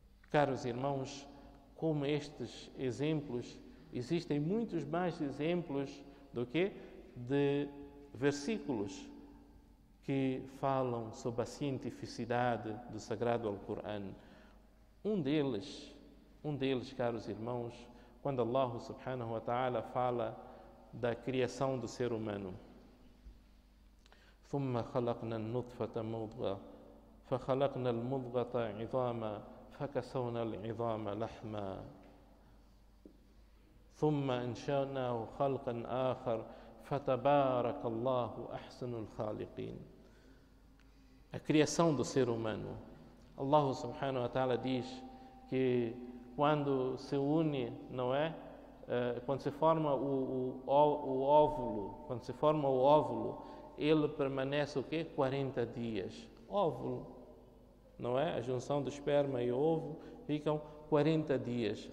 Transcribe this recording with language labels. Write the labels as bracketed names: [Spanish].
[Portuguese] Caros irmãos, como estes exemplos, existem muitos mais exemplos do que de versículos que falam sobre a cientificidade do Sagrado Alcorão. Um deles, caros irmãos, quando Allah subhanahu wa ta'ala fala da criação do ser humano. [Arabic] ثم خلقنا النطفة مضغة فخلقنا المضغة عظاما فكسونا العظام لحما ثم أنشأناه خلقا آخر فتبارك الله أحسن الخالقين. [Portuguese] A criação do ser humano. Allah subhanahu wa ta'ala diz que quando se une, não é? Quando se forma o óvulo, quando se forma o óvulo, ele permanece o quê? 40 dias. Óvulo, não é? A junção do esperma e ovo ficam 40 dias.